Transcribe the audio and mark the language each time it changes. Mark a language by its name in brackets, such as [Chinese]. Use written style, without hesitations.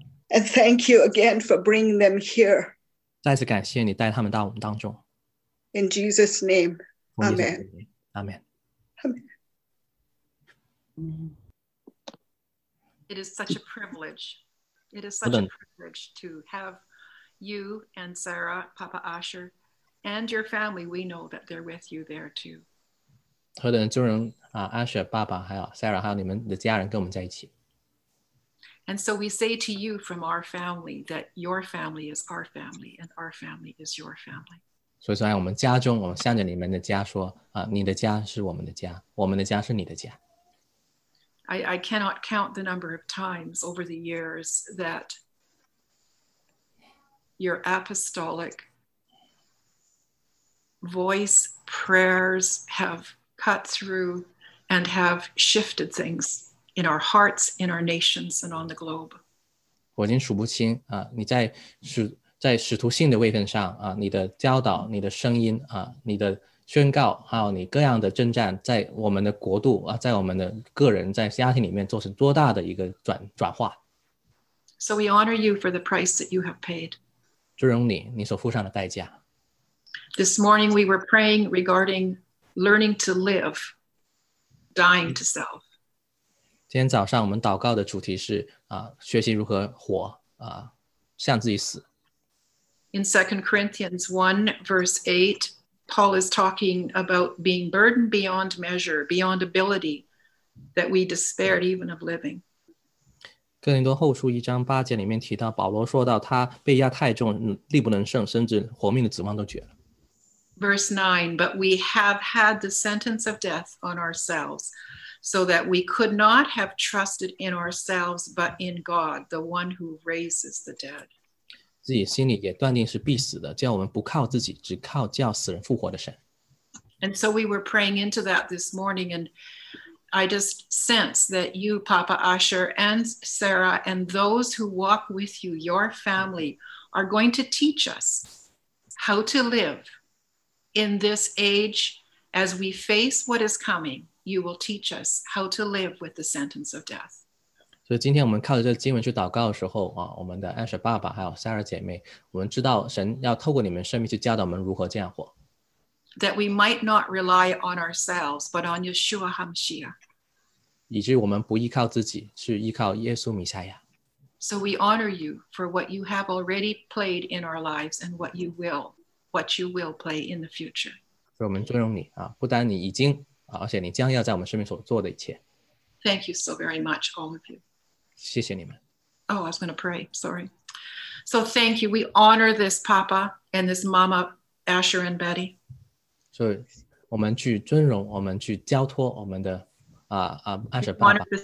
[English] And thank you again for bringing them here. [Chinese] 再次感谢你带他们到我们当中。 [English] In Jesus' name, Amen. Amen. It is such a privilege. It is such a privilege to have you and Sarah, Papa Asher, and your family. We know that they're with you there too. [Chinese] 何等尊荣啊 ，Asher 爸爸还有 Sarah 还有你们的家人跟我们在一起。 [English] And so we say to you from our family that your family is our family and our family is your family. [Chinese] 所以说在我们家中，我们向着你们的家说啊，你的家是我们的家，我们的家是你的家。 [English] I cannot count the number of times over the years that your apostolic voice prayers have cut through and have shifted things in our hearts, in our nations, and on the globe. [Chinese] 我已经数不清你在使徒信的位分上你的教导，你的声音你的宣告，还有你各样的征战，在我们的国度在我们的个人，在家庭里面做成多大的一个转化。 [English] So we honor you for the price that you have paid. [Chinese] 尊荣你所付上的代价。 [English] This morning we were praying regarding learning to live, dying to self. [Chinese] 今天早上我们祷告的主题是学习如何活向自己死。 [English] In 2 Corinthians 1 verse 8, Paul is talking about being burdened beyond measure, beyond ability, that we despaired even of living. [Chinese] 哥林多后书一章八节里面提到，保罗说到他被压太重，力不能胜，甚至活命的指望都绝了。 [English] Verse 9, but we have had the sentence of death on ourselves, so that we could not have trusted in ourselves, but in God, the one who raises the dead. [Chinese] 自己心里也断定是必死的，叫我们不靠自己，只靠叫死人复活的神。 [English] And so we were praying into that this morning, and I just sense that you, Papa Asher, and Sarah, and those who walk with you, your family, are going to teach us how to live in this age as we face what is coming. You will teach us how to live with the sentence of death. [Chinese] 所以今天我们靠着这个经文去祷告的时候我们的 Asher 爸爸还有 Sarah 姐妹，我们知道神要透过你们生命去教导我们如何这样活。 [English] That we might not rely on ourselves, but on Yeshua HaMashiach. [Chinese] 以至于我们不依靠自己，是依靠耶稣弥赛亚。 [English] So we honor you for what you have already played in our lives and what you will play in the future. [Chinese] 所以我们尊荣你不单你已经而且你将要在我们生命所做的一切。 [English] Thank you so very much, all of you. [Chinese] 谢谢你们。 [English] Oh, I was going to pray. Sorry. So thank you. We honor this Papa and this Mama Asher and Betty. [Chinese] So, 我们去尊荣，我们去交托我们的 Asher Papa.